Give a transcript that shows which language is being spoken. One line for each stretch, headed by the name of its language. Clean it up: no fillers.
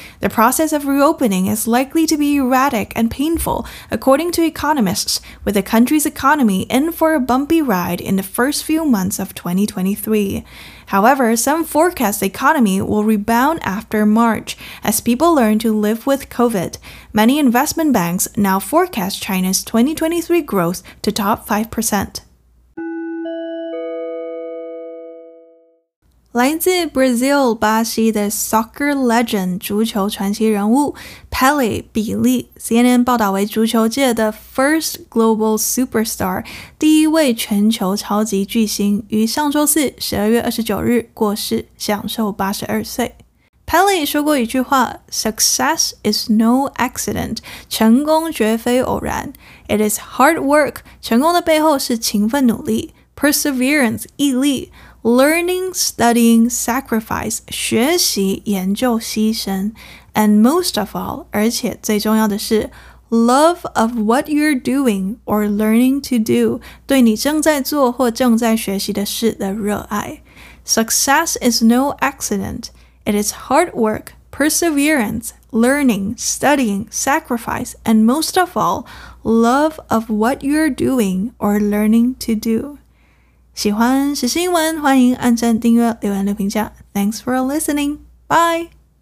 English: The process of reopening is likely to be erratic and painful, according to economists, with the country's economy in for a bumpy ride in the first few months of 2023. However, some forecast the economy will rebound after March, as people learn to live with COVID. Many investment banks now forecast China's 2023 growth to top 5%.
Chinese: 来自 Brazil 巴西的
English: soccer legend
Chinese: 足球传奇人物 Pelé 比利 CNN 报道为足球界的
English: first global superstar
Chinese: 第一位全球超级巨星于上周四12月29日过世享受82岁
English: Pelé
Chinese: 说过一句话
English: Success is no accident
Chinese: 成功绝非偶然
English: It is hard work
Chinese: 成功的背后是勤奋努力
English: Perseverance
Chinese: 毅力
English: Learning, studying, sacrifice,
Chinese: 学习、研究、牺牲
English: and most of all,
Chinese: 而且最重要的是
English: love of what you're doing or learning to do,
Chinese: 对你正在做或正在学习的事的热爱。
English: Success is no accident. It is hard work, perseverance, learning, studying, sacrifice, and most of all, love of what you're doing or learning to do.
Chinese: 喜欢时事英文，欢迎按赞、订阅、留言、留评价。
English: Thanks for listening. Bye.